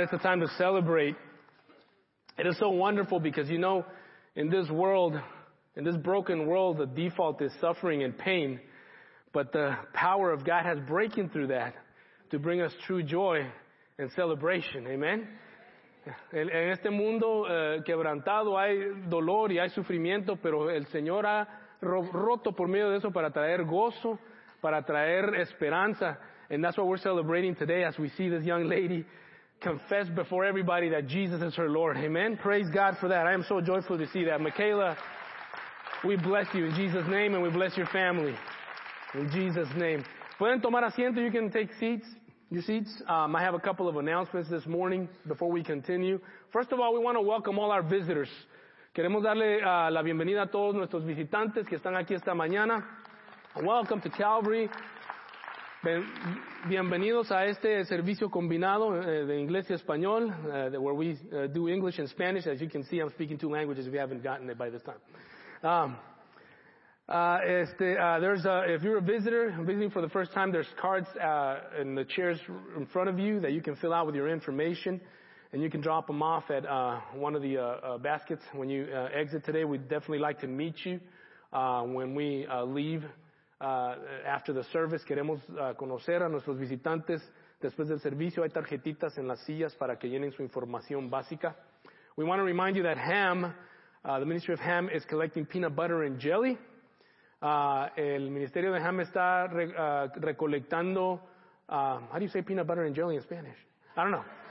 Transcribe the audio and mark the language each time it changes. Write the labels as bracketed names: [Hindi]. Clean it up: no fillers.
[English] It's a time to celebrate. It is so wonderful because, you know, in this world, in this broken world, the default is suffering and pain. But the power of God has breaking through that to bring us true joy and celebration. Amen? [Spanish] En este mundo quebrantado hay dolor y hay sufrimiento, pero el Señor ha roto por medio de eso para traer gozo, para traer esperanza. [English] And that's what we're celebrating today as we see this young lady confess before everybody that Jesus is her Lord. Amen. Praise God for that. I am so joyful to see that. Michaela, we bless you in Jesus' name, and we bless your family in Jesus' name. [Spanish] Pueden tomar asiento. [English] You can take seats, your seats. I have a couple of announcements this morning before we continue. First of all, we want to welcome all our visitors. [Spanish] Queremos darle la bienvenida a todos nuestros visitantes que están aquí esta mañana. [English] Welcome to Calvary. [Spanish] Bienvenidos a este servicio combinado de inglés y español, [English] where we do English and Spanish. As you can see, I'm speaking two languages if you haven't gotten it by this time. If you're a visitor, visiting for the first time, there's cards in the chairs in front of you that you can fill out with your information, and you can drop them off at one of the baskets when you exit today. We'd definitely like to meet you when we leave. After the service, [Spanish] queremos conocer a nuestros visitantes. Después del servicio, hay tarjetitas en las sillas para que llenen su información básica. [English] We want to remind you that Ham, the Ministry of Ham, is collecting peanut butter and jelly. [Spanish] El Ministerio de Ham está recolectando, [English] how do you say peanut butter and jelly in Spanish? I don't know.